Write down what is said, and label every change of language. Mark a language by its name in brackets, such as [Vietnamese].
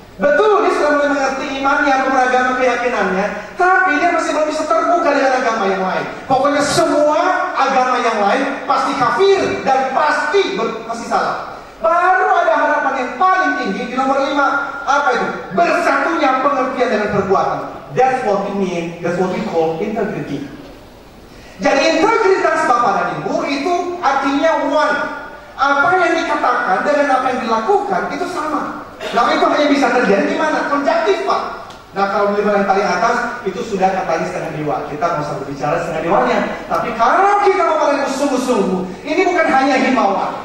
[Indonesian] Betul, dia sudah mulai mengerti imannya, beragama keyakinannya, tapi dia masih belum bisa terbuka dengan agama yang lain. Pokoknya semua agama yang lain pasti kafir dan pasti masih salah. Baru ada harapan yang paling tinggi di nomor 5. Apa itu? Bersatunya pengertian dengan perbuatan. [English] That's what we mean, that's what we call integrity. [Indonesian] Jadi integritas Bapak dan Ibu itu artinya one. Apa yang dikatakan dengan apa yang dilakukan itu sama. Nah itu hanya bisa terjadi di mana? Konjektif Pak. Nah kalau di bagian paling atas itu sudah katanya setengah dewa. Kita gak usah berbicara setengah dewanya. Tapi kalau kita Bapak dan Ibu sungguh-sungguh, ini bukan hanya himbauan.